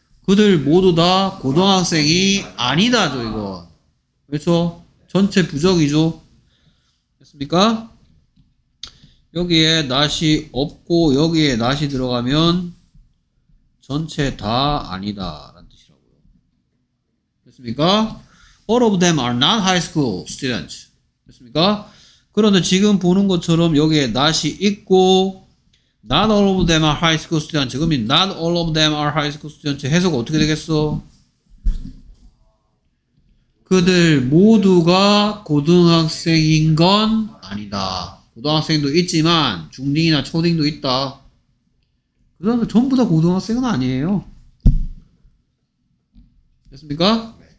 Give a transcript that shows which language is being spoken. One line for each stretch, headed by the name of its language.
Korean: 그들 모두 다 고등학생이 아니다죠, 이건. 그렇죠? 전체 부정이죠. 됐습니까? 여기에 not이 없고 여기에 not이 들어가면 전체 다 아니다라는 뜻이라고요. 됐습니까?
English: All of them are not high school students.
Korean: 됐습니까? 그런데 지금 보는 것처럼 여기에 not이 있고
English: Not all of them are high school students. 그러면 not all of them are high school students.
Korean: 해석 어떻게 되겠어? 그들 모두가 고등학생인 건 아니다. 고등학생도 있지만 중딩이나 초딩도 있다. 그 사람들 전부 다 고등학생은 아니에요. 됐습니까?